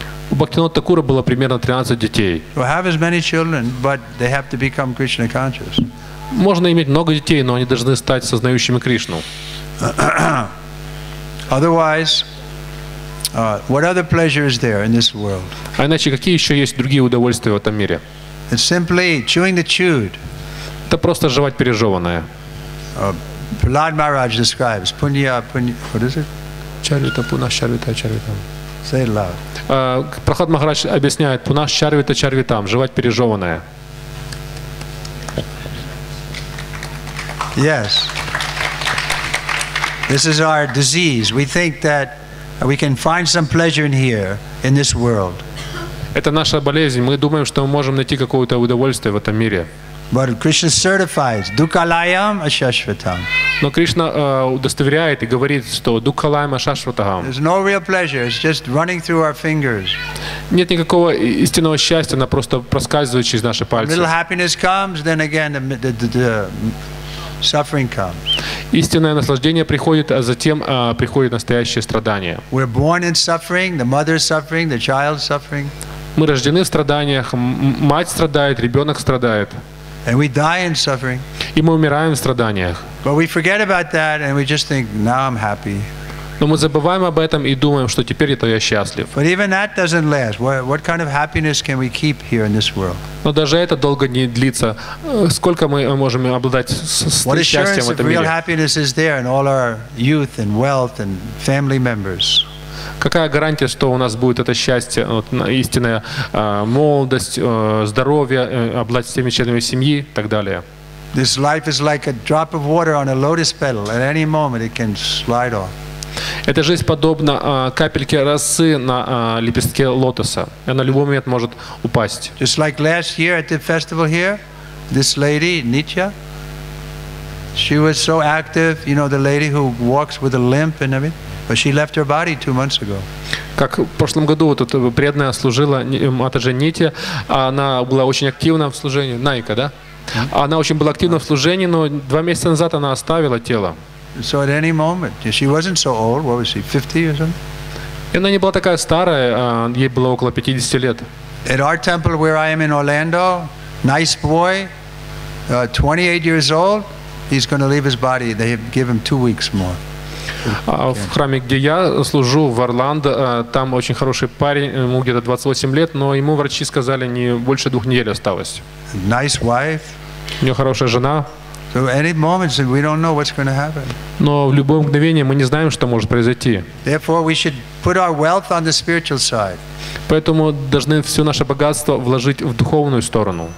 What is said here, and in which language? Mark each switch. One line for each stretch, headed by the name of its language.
Russian: У Бхактивинода Такура было примерно 13 детей.
English: Well, have as many children, but they have to become Krishna conscious.
Russian: Можно иметь много детей, но они должны стать сознающими Кришну.
English: Otherwise, what other pleasure is there in this world?
Russian: А иначе какие еще есть другие удовольствия в этом мире?
English: It's simply chewing the chewed.
Russian: Это просто жевать пережеванное.
English: Prahlad Maharaj describes punya, what is it?
Sanskrit: Чарвита пуна чарвита чарвитам.
English: Say it loud.
Russian: Прахлад Махарадж объясняет
Sanskrit: пуна чарвита чарвитам,
Russian: жевать пережеванное.
English: Yes. This is our disease. We think that we can find some pleasure in here, in this world.
Russian: Это наша болезнь. Мы думаем, что мы можем найти какое-то удовольствие в этом мире.
English: But Krishna certifies,
Sanskrit: dukkhalayam ashashvatam.
Russian: Но Кришна удостоверяет и говорит, что
Sanskrit: dukkhalayam ashashvatam.
English: There's no real pleasure. It's just running through our fingers.
Russian: Нет никакого истинного счастья. Она просто проскальзывает через наши пальцы.
English: Little happiness comes, then again the suffering comes.
Russian: Истинное наслаждение приходит, а затем приходит настоящее страдание.
English: We're born in suffering, the mother suffering, the child suffering.
Russian: Мы рождены в страданиях, мать страдает, ребенок страдает.
English: And we die in suffering.
Russian: И мы умираем в страданиях.
English: But we forget about that and we just think, now I'm happy.
Russian: Но мы забываем об этом и думаем, что теперь это я счастлив.
English: But even that doesn't last. What kind of happiness can we keep here in this world?
Russian: Но даже это долго не длится. Сколько мы можем обладать счастьем в этом мире?
English: What assurance of real happiness is there in all our youth and wealth and family members?
Russian: Какая гарантия, что у нас будет это счастье, вот, истинная молодость, здоровье, обладать всеми членами семьи и так далее?
English: This life is like a drop of water on a lotus petal. At any moment it can slide off.
Russian: Эта жизнь подобна капельке росы на лепестке лотоса. Она в любой момент может упасть.
English: Just like last year at the festival here, this lady, Nitya, she was so active, you know, the lady who walks with a limp and everything, but she left her body 2 months ago.
Russian: Как в прошлом году вот эта преданная служила Матаджи Нитья, она была очень активна в служении, Найка, да? Она очень была активна в служении, но 2 месяца назад она оставила тело.
English: So at any moment, she wasn't so old, what was she, 50 or something?
Russian: И она не была такая старая, ей было около 50 лет.
English: At our temple where I am in Orlando, nice boy, 28 years old, he's going to leave his body. They have given 2 weeks more.
Russian: В храме, где я служу, в Орландо, там очень хороший парень, ему где-то 28 лет, но ему врачи сказали, не больше 2 недель осталось.
English: Nice wife.
Russian: У него хорошая жена.
English: So any moment, we don't know what's going to happen.
Russian: Но в любое мгновение мы не знаем, что может произойти.
English: Therefore, we should put our wealth on the spiritual side.
Russian: Поэтому должны все наше богатство вложить в духовную сторону.